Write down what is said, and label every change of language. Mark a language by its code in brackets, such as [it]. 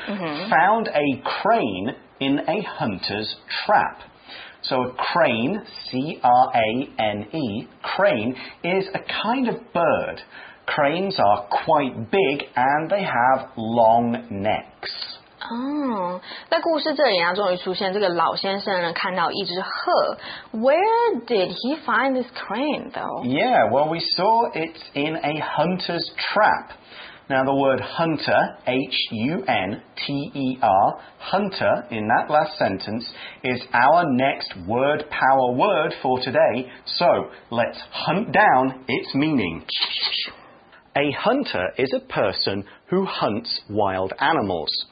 [en] mm-hmm. found a crane in a hunter's trap. So a crane, C-R-A-N-E, crane, is a kind of bird. Cranes are quite big and they have long necks. [zh] Oh, 在故事这里啊，终于出现这个老先生呢，看到一只鹤。 [en] Where did he find this crane, though? Yeah, well, we saw it's in a hunter's trap. Now the word hunter, H-U-N-T-E-R, hunter, in that last sentence, is our next word power word for today. So, let's hunt down its meaning. A hunter is a person who hunts wild animals.